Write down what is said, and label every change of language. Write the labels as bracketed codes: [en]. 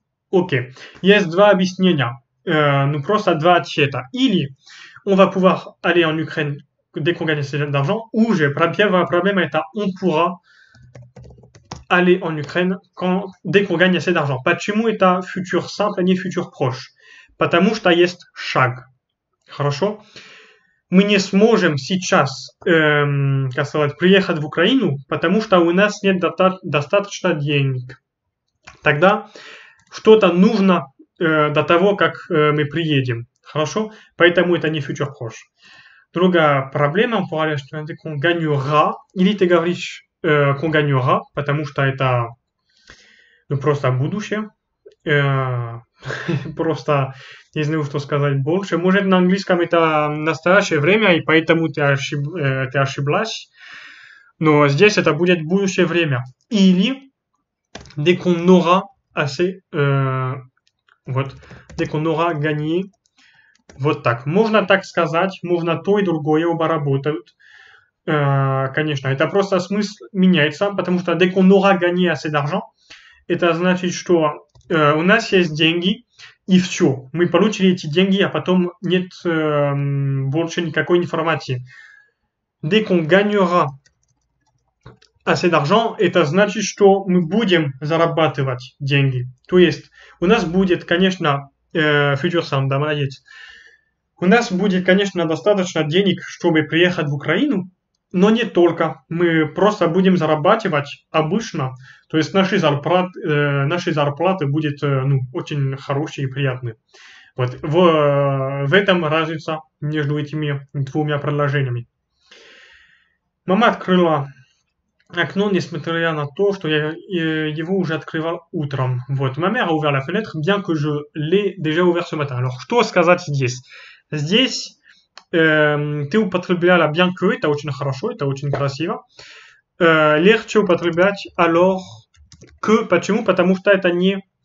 [ru] Окей, есть два объяснения, ну просто два ответа. [fr] Или on va pouvoir aller en Ukraine, dès qu'on gagne assez d'argent, ou [ru] же, первая проблема это [fr] on pourra aller en Ukraine dès qu'on gagne assez d'argent. [ru] Почему это futur simple, не futur proche? Потому что есть шаг. Хорошо? Мы не сможем сейчас, как сказать, приехать в Украину, потому что у нас нет достаточно денег. Тогда что-то нужно до того, как мы приедем. Хорошо? Поэтому это не futur proche. Другая проблема, [fr] on pourra aller en Ukraine dès qu'on gagnera, [ru] или ты говоришь [fr] qu'on gagnera, [ru] потому что это ну, просто будущее. просто не знаю, что сказать больше. Может, на английском это настоящее время, и поэтому ты ошиблась. Но здесь это будет будущее время. [fr] Или dès qu'on aura assez, вот, dès qu'on aura gagné. [ru] Вот так. Можно так сказать, можно то и другое, оба работают. Конечно, это просто смысл меняется, потому что [fr] dès qu'on aura gagné assez d'argent, [ru] это значит, что у нас есть деньги и все, мы получили эти деньги, а потом нет больше никакой информации. [fr] Dès qu'on gagnera assez d'argent, [ru] это значит, что мы будем зарабатывать деньги. То есть у нас будет, конечно, future sound, да, молодец. У нас будет, конечно, достаточно денег, чтобы приехать в Украину. Но не только. Мы просто будем зарабатывать обычно. То есть наши зарплаты будут ну, очень хорошие и приятные. Вот. В этом разница между этими двумя предложениями. Мама открыла окно, несмотря на то, что я его уже открывал утром. Вот. [fr] Ma mère a ouvert la fenêtre, bien que je l'ai déjà ouvert ce matin. [ru] Alors, что сказать здесь? Здесь... ты употребляла bien que, это очень хорошо, это очень красиво. Легче употреблять alors que. Почему? Потому что это не...